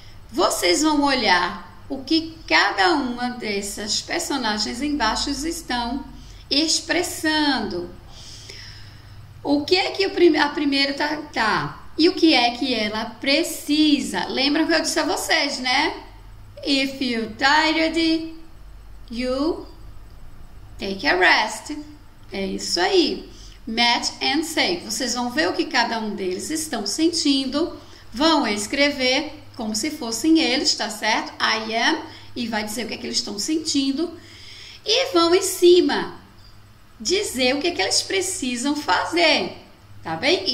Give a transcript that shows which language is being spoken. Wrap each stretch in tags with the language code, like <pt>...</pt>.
<pt>Vocês vão olhar o que cada uma dessas personagens embaixo estão expressando. O que é que a primeira tá? E o que é que ela precisa? Lembra que eu disse a vocês, né?</pt> <en>If you're tired, you take a rest.</en> <pt>É isso aí.</pt> <en>Match and say.</en> <pt>Vocês vão ver o que cada um deles estão sentindo. Vão escrever como se fossem eles, tá certo?</pt> <en>I am.</en> <pt>E vai dizer o que é que eles estão sentindo. E vão em cima dizer o que é que eles precisam fazer. Tá bem?</pt>